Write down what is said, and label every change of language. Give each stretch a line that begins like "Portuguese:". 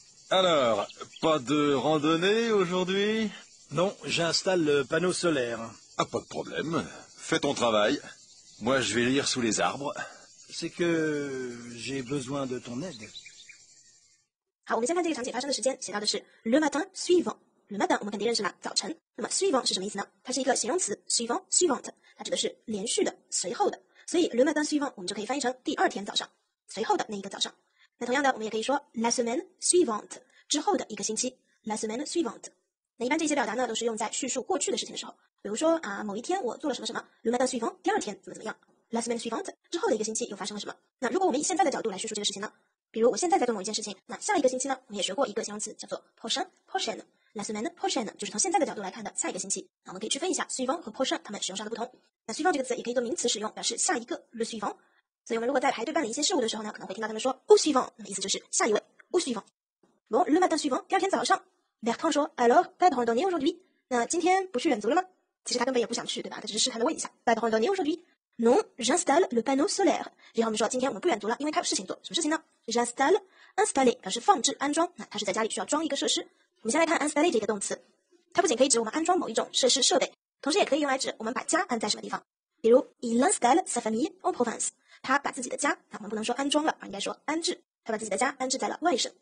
French: Alors, pas de randonnée aujourd'hui ? Non, j'installe le panneau solaire. Ah, pas de problème. Fais ton travail. Moi, je vais lire sous les arbres. C'est que j'ai besoin de ton aide.
Chinese: 好，我们先看这个场景发生的时间，写到的是
French: le matin suivant。
Chinese: le matin 我们肯定认识了，早晨。那么 suivant 是什么意思呢？它是一个形容词 ，suivant suivant， 它指的是连续的、随后的。所以
French: le matin suivant
Chinese: 我们就可以翻译成第二天早上，随后的那一个早上。那同样的，我们也可以说
French: la semaine suivante
Chinese: 之后的一个星期 ，la semaine suivante。那一般这些表达呢，都是用在叙述过去的事情的时候，比如说啊，某一天我做了什么什么 ，
French: le matin suivant
Chinese: 第二天怎么怎么样 ，
French: la semaine suivante
Chinese: 之后的一个星期又发生了什么。那如果我们以现在的角度来叙述这个事情呢，比如我现在在做某一件事情，那下一个星期呢，我们也学过一个形容词叫做 prochaine。
French: La semaine prochaine
Chinese: 就是从现在的角度来看的下一个星期。那我们可以区分一下 suivant 和 prochain 它们使用上的不同。那 suivant 这个词也可以做名词使用，表示下一个
French: le suivant。
Chinese: 所以我们如果在排队办理一些事务的时候呢，可能会听到他们说
French: au suivant，
Chinese: 那意思就是下一位 au suivant。
French: bon le matin suivant，
Chinese: 第二天早上 ，Bertrand 说 ，
French: alors pas de randonnée aujourd'hui？
Chinese: 那今天不去远足了吗？其实他根本也不想去，对吧？他只是试探的问一下 ，
French: pas de randonnée aujourd'hui？ Non, j'installe le panneau solaire.
Chinese: Jérôme说今天我们不远足了，因为他有事情做。什么事情呢？J'installe, installer 表示放置、安装，那他是在家里需要装一个设施。我们先来看 installer 这个动词，它不仅可以指我们安装某一种设施设备，同时也可以用来指我们把家安在什么地方。比如
French: il installe sa famille en Provence，
Chinese: 他把自己的家，那我们不能说安装了，而应该说安置，他把自己的家安置在了外省。